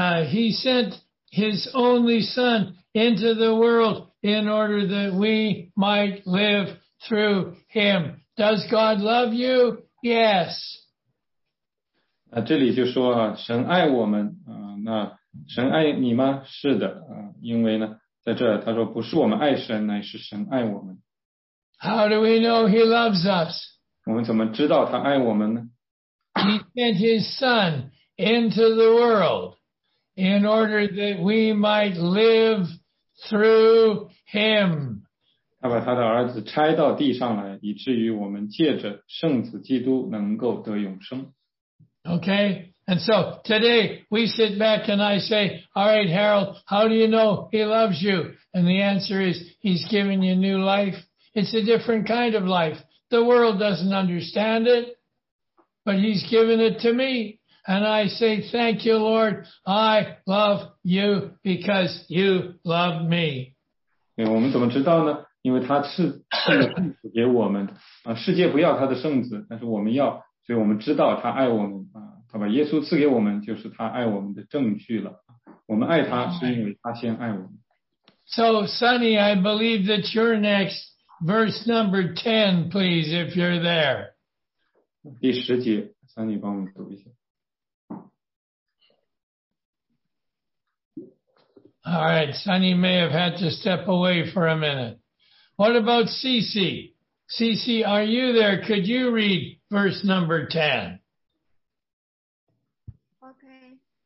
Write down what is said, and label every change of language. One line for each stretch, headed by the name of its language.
English: He sent his only son into the world in order that we might live through him. Does God love you? Yes.
Chinese: 这里就说啊，神爱我们，那神爱你吗？是的，因为呢，在这他说不是我们爱神，乃是神爱我们。
English: How do we know he loves us?
Chinese: 我们怎么知道他爱我们呢？
English: He sent his son into the world in order that we might live through him.
Chinese: 他把他的儿子拆到地上来，以至于我们借着圣子基督能够得永生。
English: Okay, and so today we sit back and I say, all right, Harold, how do you know he loves you? And the answer is, he's given you new life. It's a different kind of life. The world doesn't understand it, but he's given it to me. And I say, thank you, Lord. I love you because you love me.
Chinese: 对，我们怎么知道呢？因为他是圣子给我们，世界不要他的圣子，但是我们要，所以我们知道他爱我们，他把耶稣赐给我们，就是他爱我们的证据了。我们爱他是因为他先爱我们。
English: So, Sonny, I believe that you're next. Verse number 10, please, if you're there.
Chinese: 第十节， Sonny 帮我们读一下。
English: All right, Sonny may have had to step away for a minute. What about Cece? Cece, are you there? Could you read verse number 10? Okay.